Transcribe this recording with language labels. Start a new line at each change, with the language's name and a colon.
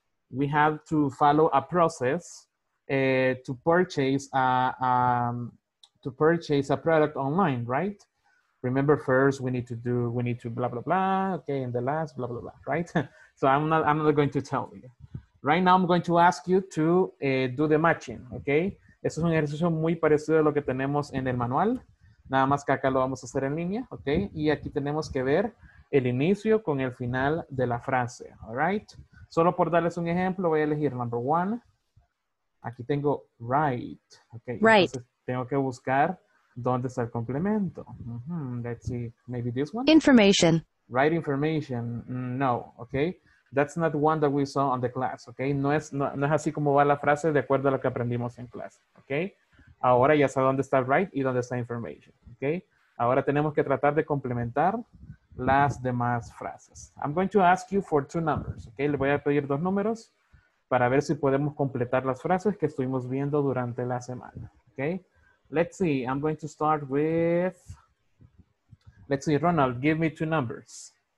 English: We have to follow a process to purchase a product online, right? Remember, first, we need to blah, blah, blah, okay, and the last, blah, blah, blah, right? So I'm not going to tell you. Right now, I'm going to ask you to do the matching, okay?
Spanish: Esto es un ejercicio muy parecido a lo que tenemos en el manual. Nada más que acá lo vamos a hacer en línea, ¿ok? Y aquí tenemos que ver el inicio con el final de la frase, ¿all right? Solo por darles un ejemplo, voy a elegir
English: number one.
Spanish: Aquí tengo right, ¿ok?
English: Right.
Spanish: Entonces tengo que buscar dónde está el complemento.
English: Uh-huh. Let's see, maybe this one. Information. Right information, no, ¿ok? That's not one that we saw on the class, ¿ok?
Spanish: No es así como va la frase de acuerdo a lo que aprendimos en clase, ¿ok? Ahora ya sabe dónde está right y dónde está information, okay? Ahora tenemos que tratar de complementar las demás frases.
English: I'm going to ask you for two numbers, okay?
Spanish: Le voy a pedir dos números para ver si podemos completar las frases que estuvimos viendo durante la semana, okay?
English: Let's see, I'm going to start with, let's see, Ronald, give me two numbers.